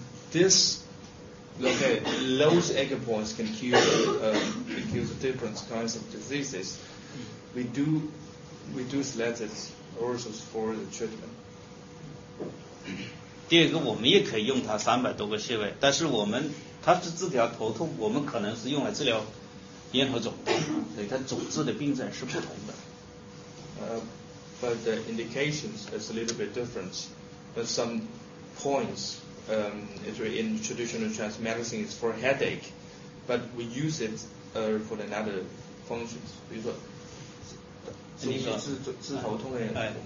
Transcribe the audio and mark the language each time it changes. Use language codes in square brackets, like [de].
[en] This okay, those acupoints can cure different kinds of diseases. We do select it also for the treatment. [zh] 第二个，我们也可以用它300多个穴位，但是我们它是治疗头痛，我们可能是用来治疗咽喉肿痛，所以它主治的病症是不同的。 [en] But the indications is a little bit different. But some points, in traditional Chinese medicine, is for headache. But we use it for another functions. [zh] 比如说，你说治头痛的，